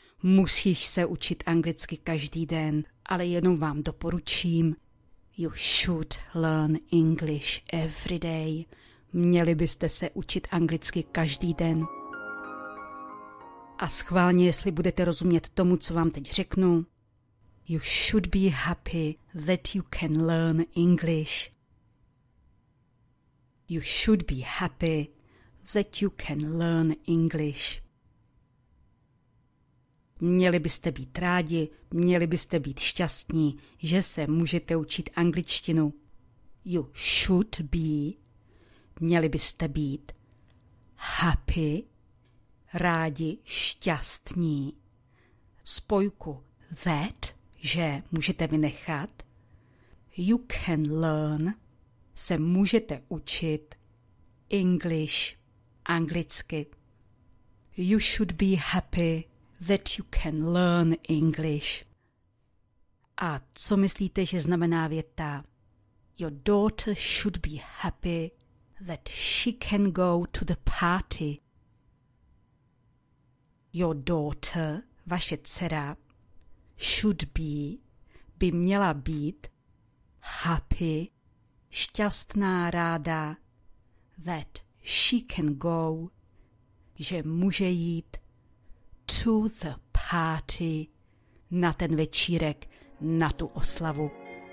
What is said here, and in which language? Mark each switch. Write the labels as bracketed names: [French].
[Czech] Musíš se učit anglicky každý den, ale jenom vám doporučím. [English] You should learn English every day. [Czech] Měli byste se učit anglicky každý den. A schválně, jestli budete rozumět tomu, co vám teď řeknu. [English] You should be happy that you can learn English. You should be happy that you can learn English. [Czech] Měli byste být rádi, měli byste být šťastní, že se můžete učit angličtinu. [English] You should be, [Czech] měli byste být happy, rádi, šťastní. Spojku that, že můžete vynechat. [English] You can learn, [Czech] se můžete učit English, anglicky. [English] You should be happy that you can learn English. [Czech] A co myslíte, že znamená věta? [English] Your daughter should be happy that she can go to the party. Your daughter, [Czech] vaše dcera, [English] should be, [Czech] by měla být, happy, šťastná, ráda, [English] that she can go, [Czech] že může jít, [English] to the party, [Czech] na ten večírek, na tu oslavu.